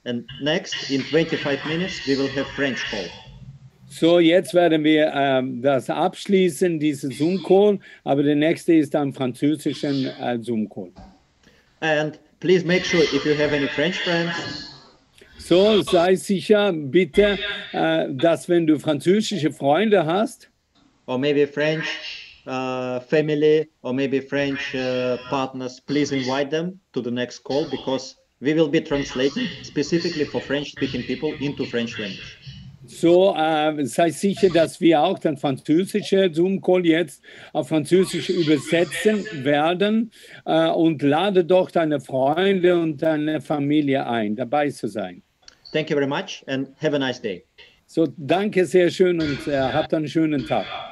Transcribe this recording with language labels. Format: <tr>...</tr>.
<en>And next, in 25 minutes, we will have French call.</en> <de>So, jetzt werden wir das abschließen, diesen Zoom-Call. Aber der nächste ist dann französischen Zoom-Call.</de> <en>And please make sure, if you have any French friends.</en> <de>So, sei sicher, bitte, dass wenn du französische Freunde hast.</de> <en>Or maybe French family, or maybe French partners, please invite them to the next call, because we will be translating specifically for French-speaking people into French language.</en> <de>So, sei sicher, dass wir auch den französischen Zoom-Call jetzt auf Französisch übersetzen werden und lade doch deine Freunde und deine Familie ein, dabei zu sein.</de> <en>Thank you very much and have a nice day.</en> <de>So, danke sehr schön und habt einen schönen Tag.</de>